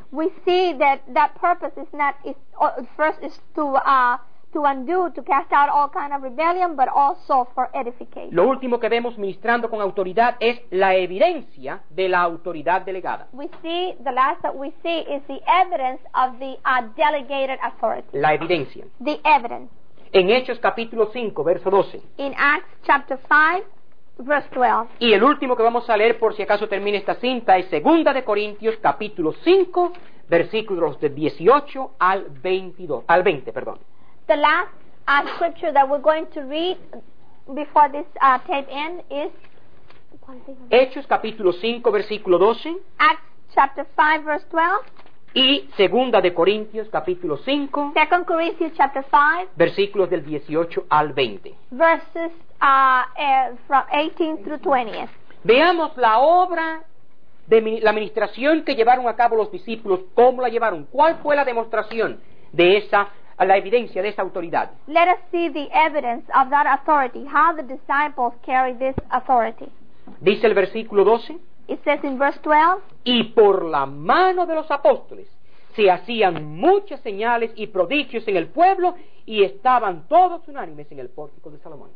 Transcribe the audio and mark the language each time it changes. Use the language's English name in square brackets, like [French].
[English] We see that purpose is not, first is to undo, to cast out all kind of rebellion, but also for edification. [Spanish] Lo último que vemos ministrando con autoridad es la evidencia de la autoridad delegada. [English] We see, the last that we see is the evidence of the delegated authority. [Spanish] La evidencia. [English] The evidence. [Spanish] En Hechos capítulo 5, verso 12. [English] In Acts chapter 5, verse 12. [Spanish] Y el último que vamos a leer, por si acaso termina esta cinta, es 2 de Corintios capítulo 5, versículos de 18 al 22, al 20, perdón. [English] The last scripture that we're going to read before this tape end is [Spanish] Hechos capítulo 5 versículo 12, [English] Acts chapter 5 verse 12, [Spanish] y Segunda de Corintios capítulo 5, [English] Second Corinthians chapter 5, [Spanish] versículos del 18 al 20, [English] verses from 18 through 20. [Spanish] Veamos la obra de la ministración que llevaron a cabo los discípulos. ¿Cómo la llevaron? ¿Cuál fue la demostración de esa, a la evidencia de esa autoridad? [English] Let us see the evidence of that authority, how the disciples carry this authority. [Spanish] Dice el versículo 12. [English] It says in verse 12. [Spanish] Y por la mano de los apóstoles se hacían muchas señales y prodigios en el pueblo y estaban todos unánimes en el pórtico de Salomón.